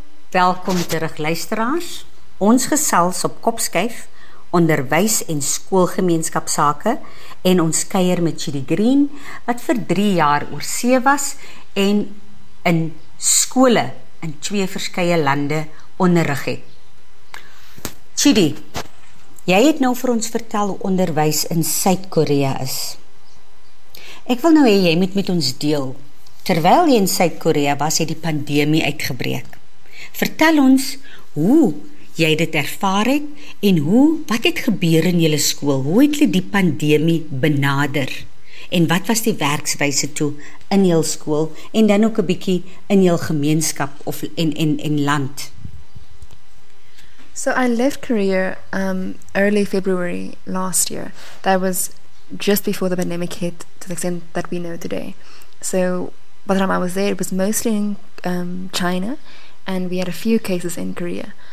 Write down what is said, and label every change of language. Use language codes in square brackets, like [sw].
[af] Welkom terug luisteraars. Ons gesels op Kopskuif, onderwys en skoolgemeenskapsake, en ons kuier met Chidi Green, wat vir 3 jaar oor see was en in skole in 2 verskeie lande onderrig het. Chidi, Jy het nou vir ons vertel hoe onderwys in Suid-Korea is. Ek wil nou hê jy moet met ons deel. Terwyl jy in Suid-Korea was, het die pandemie uitgebreek. Vertel ons hoe jy dit ervaar het en hoe, wat het gebeur in julle skool? Hoe het jy die pandemie benader? En wat was die werkswyse toe in jou skool en dan ook 'n bietjie in jou gemeenskap of en land? [en] So I left Korea early February last year. That was just before the pandemic hit to the extent that we know today. So by the time I was there, it was mostly in China, and we had a few cases in Korea.